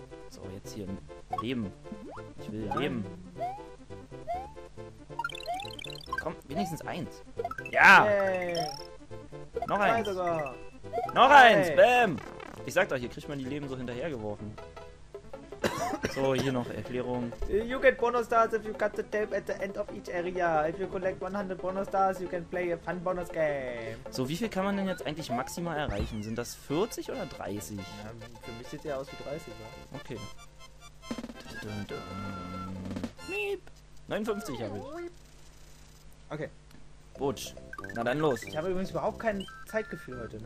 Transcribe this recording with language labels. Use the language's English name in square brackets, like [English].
[German] So, jetzt hier leben. Ich will leben. Komm, wenigstens eins. Ja! Yeah. Noch eins! Noch eins! Bam! Ich sag doch, hier kriegt man die Leben so hinterhergeworfen. So, hier noch Erklärung. [English] You get bonus stars if you cut the tape at the end of each area. If you collect 100 bonus stars, you can play a fun bonus game. [German] So, wie viel kann man denn jetzt eigentlich maximal erreichen? Sind das 40 oder 30? Ja, für mich sieht es ja aus wie 30. Also. Okay. Dun, dun, dun. Miep. 59 habe ich. Okay. Butch, na dann los. Ich habe übrigens überhaupt kein Zeitgefühl heute. Ne?